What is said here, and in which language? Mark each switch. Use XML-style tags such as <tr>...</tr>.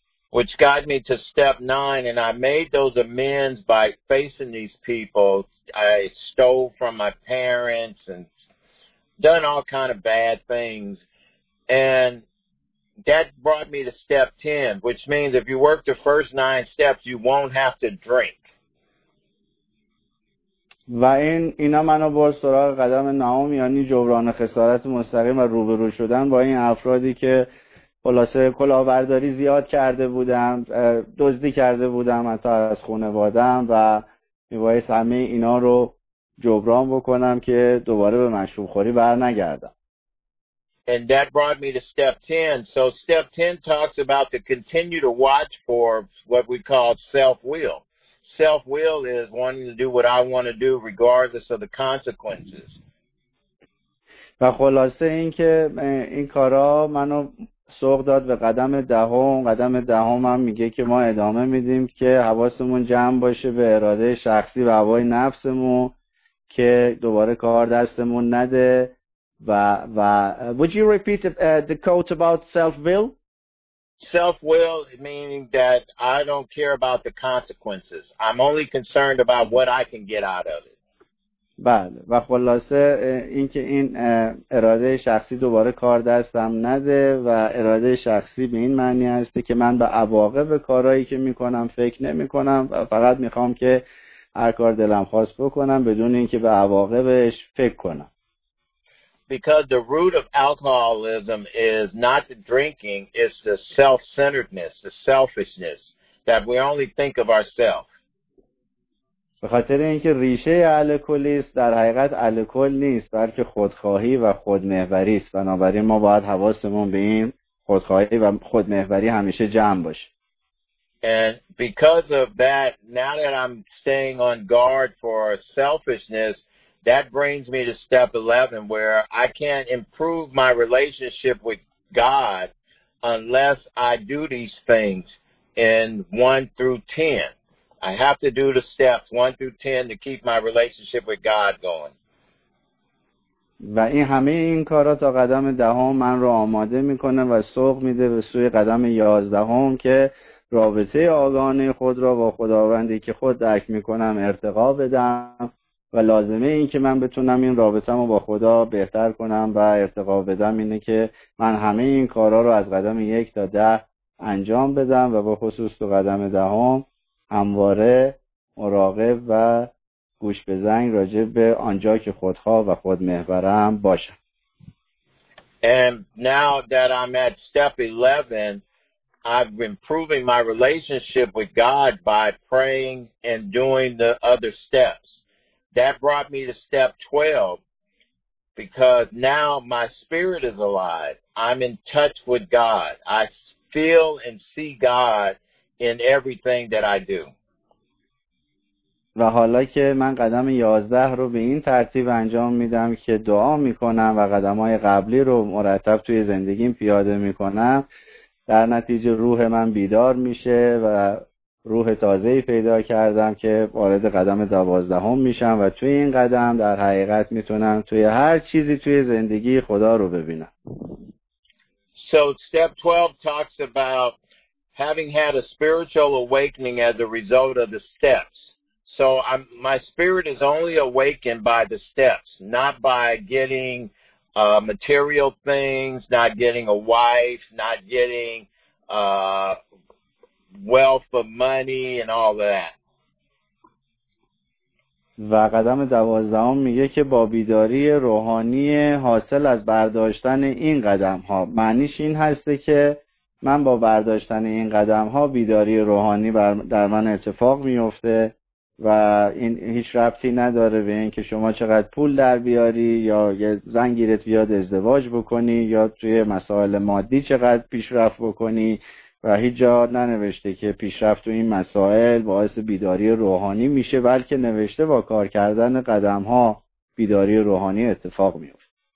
<en>Which got me to step 9 and I made those amends by facing these people. I stole from my parents and done all kind of bad things. And that brought me to step 10, which means if you work the first 9 steps, you won't have to drink.</en> <fa>و اینا منو برد سراغ قدم نهم، یعنی جبران خسارت مستقیم و روبرو شدن با این افرادی که خلاصه کلاهبرداری زیاد کرده بودم، دزدی کرده بودم حتی از خانوادم و میباید همه اینا رو جبران بکنم که دوباره به مشروب خوری بر نگردم.</fa> <en>And that brought me to step 10. So step 10 talks about to continue to watch for what we call self-will. self-will is wanting to do what I want to do regardless of the consequences.</en> <fa>و خلاصه این که این کارا منو سوق داد به قدم دهم. قدم دهم هم میگه که ما ادامه میدیم که حواسمون جمع باشه به اراده شخصی و هوای نفسمون که دوباره کار دستمون نده. و</fa> <en>Would you repeat the quote about self-will? Self-will meaning that I don't care about the consequences. I'm only concerned about what I can get out of it.</en> <fa>بله و خلاصه اینکه این اراده شخصی دوباره کار دستم نده و اراده شخصی به این معنی است که من به عواقب کارهایی که میکنم فکر نمیکنم و فقط میخوام که هر کار دلم خواست بکنم بدون اینکه به عواقبش فکر کنم.</fa> <en>Because the root of alcoholism is not the drinking, it's the self-centeredness, the selfishness that we only think of ourselves.</en> <fa>به خاطر اینکه ریشه الکلیست در حقیقت الکل نیست بلکه خودخواهی و خودمحوری است، بنابراین ما باید حواسمون به این خودخواهی و خودمحوری همیشه جمع باشه.</fa> <en>And because of that, now that I'm staying on guard for selfishness, that brings me to step 11 where I can't improve my relationship with God unless I do these things in 1 through 10. I have to do the steps 1 through 10 to keep my relationship with God going.</en> <fa>و این همه این کارا تا قدم دهم من رو آماده میکنه و سوق میده به سوی قدم 11ام که رابطه آگاهانه خود را با خداوندی که خود درک میکنم ارتقا بدم و لازمه این که من بتونم این رابطه‌مو با خدا بهتر کنم و ارتقا بدم اینه که من همه این کارا رو از قدم 1 تا 10 انجام بدم و به خصوص تو قدم دهم همواره مراقب و گوش به زنگ راجع به آنجا که خودخواه و خودمحورم باشم.</fa> <en>And now that I'm at step 11, I'm improving my relationship with God by praying and doing the other steps. That brought me to step 12 because now my spirit is alive. I'm in touch with God. I feel and see God in everything that I do.</en> <fa>و حالا که من قدم 11 رو به این ترتیب انجام میدم که دعا میکنم و قدمای قبلی رو مرتب توی زندگیم پیاده میکنم، در نتیجه روح من بیدار میشه و روح تازه‌ای پیدا کردم که وارد قدم 12ام میشم و توی این قدم در حقیقت میتونم توی هر چیزی توی زندگی خدا رو ببینم.</fa> <en>So step 12 talks about having had a spiritual awakening as a result of the steps. So my spirit is only awakened by the steps, not by getting material things, not getting a wife, not getting wealth of money and all that.</en> <fa>و قدم 12ام میگه که با بیداری روحانی حاصل از برداشتن این قدم ها. معنیش این هسته که من با برداشتن این قدم ها بیداری روحانی در من اتفاق میفته و این هیچ ربطی نداره به این که شما چقدر پول در بیاری یا یه زن گیرت بیاد ازدواج بکنی یا توی مسائل مادی چقدر پیشرفت بکنی و هیچ جا ننوشته که پیشرفت تو این مسائل باعث بیداری روحانی میشه، بلکه نوشته با کار کردن قدم ها بیداری روحانی اتفاق میفته.</fa>